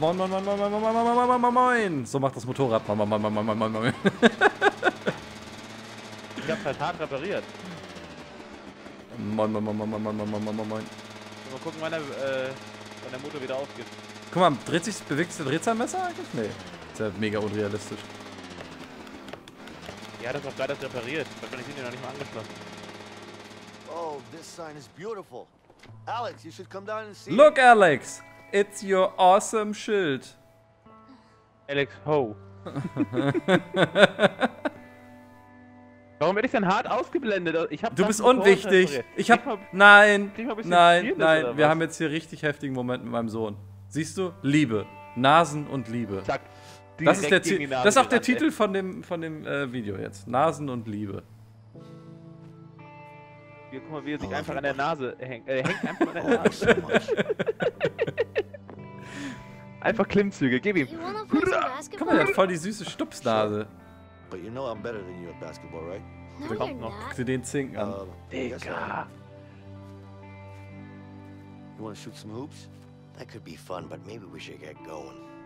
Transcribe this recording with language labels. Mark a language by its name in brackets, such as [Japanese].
[German] Moin, moin, moin, moin, moin, moin, moin, moin, moin, moin, moin. So macht das Motorrad. Moin, moin, moin, moin, moin, moin, moin, moin. Ich hab's halt hart repariert. Moin, moin, moin, moin, moin, moin, moin, moin, moin, moin. Mal gucken, wann der Motor wieder aufgeht. Guck mal, dreht sich, bewegt sich der Drehzahlmesser eigentlich? Nee. Ist ja mega unrealistisch. Ja, das ist auch geil, das repariert. Wahrscheinlich sind die noch nicht mal angeschlossen. [English] Oh, this sign is beautiful. Alex, you should come down and see. Look, Alex! It's your awesome shield. Alex, ho. [German] Warum werde ich denn hart ausgeblendet? Ich hab du bist unwichtig. Ich hab... Nein, nein, nein. Wir haben jetzt hier richtig heftigen Moment mit meinem Sohn. Siehst du? Liebe. Nasen und Liebe. Zack. Das ist, das ist auch der Titel von dem Video jetzt. Nasen und Liebe. Hier, guck mal, wie er sich einfach an der Nase hängt. Er hängt einfach an der Nase. Einfach Klimmzüge, gib ihm. Guck mal, der hat voll die süße Stupsnase. [English] But you know I'm better than you at basketball, right? [German] Kommt noch. Guck dir den Zinken an. Digga. [English] You want to shoot some hoops? That could be fun, but maybe we should get going.